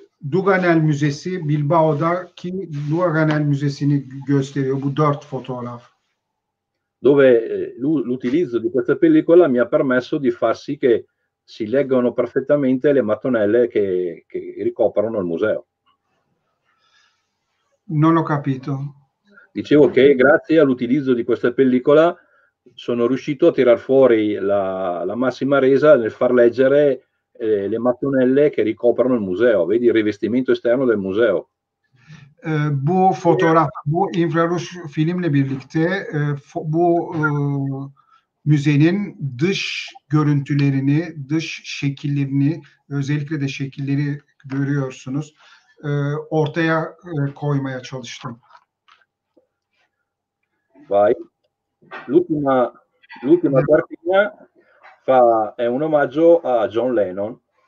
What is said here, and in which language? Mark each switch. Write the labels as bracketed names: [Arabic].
[Turkish] Duganel Müzesi Bilbao'daki Duganel Müzesi'ni gösteriyor bu dört fotoğraf. [Italian] Dove l'utilizzo di questa pellicola mi ha permesso di far sì che si leggano perfettamente le mattonelle che ricoprono il museo. Non ho capito. Dicevo che grazie all'utilizzo di questa pellicola sono riuscito a tirar fuori la massima resa nel far leggere le mattonelle che ricoprono il museo. Vedi il rivestimento esterno del museo. [Turkish] Bu fotoğraf, bu infraruj filmle birlikte bu müzenin dış görüntülerini, dış şekillerini, özellikle de şekilleri görüyorsunuz, ortaya koymaya çalıştım. [Italian] Vai. L'ultima partita è un omaggio a John Lennon.